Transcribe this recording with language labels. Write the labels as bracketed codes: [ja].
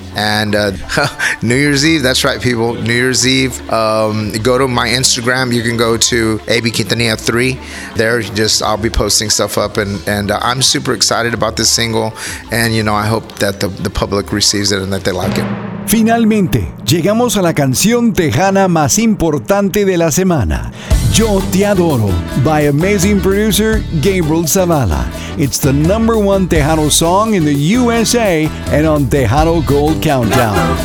[en] And New Year's Eve, that's right, people. New Year's Eve, go to my Instagram. You can go to AB Quintanilla 3. There, just I'll be posting stuff up. And I'm super excited about this single. And, you know, I hope that the public receives it and that they like it. [es] Finalmente, llegamos a la canción tejana más importante de la semana. [en] Yo Te Adoro, by amazing producer Gabriel Zavala. It's the number one Tejano song in the USA and on Tejano Gold Countdown.